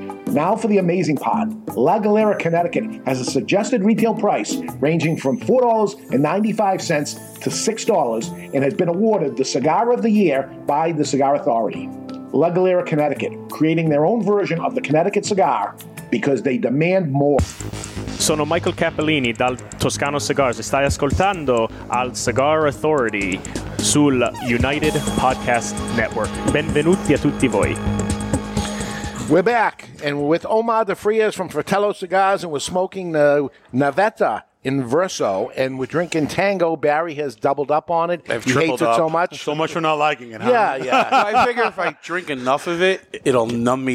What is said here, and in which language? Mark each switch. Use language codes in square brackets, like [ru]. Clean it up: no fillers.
[en] Now for the amazing part. La Galera Connecticut has a suggested retail price ranging from $4.95 to $6 and has been awarded the Cigar of the Year by the Cigar Authority. La Galera Connecticut, creating their own version of the Connecticut cigar, because they demand more. [it] Sono Michael Cappellini dal Toscano Cigars e stai ascoltando al Cigar Authority sul United Podcast Network. Benvenuti a tutti voi. [en] We're back, and we're with Omar de Frias from Fratello Cigars, and we're smoking the Navetta Inverso, and we're drinking Tango. Barry has doubled up on it. I've tripled hates it up. So much. So much for not liking it, huh? Yeah, yeah. So I figure if I drink enough of it, it'll numb me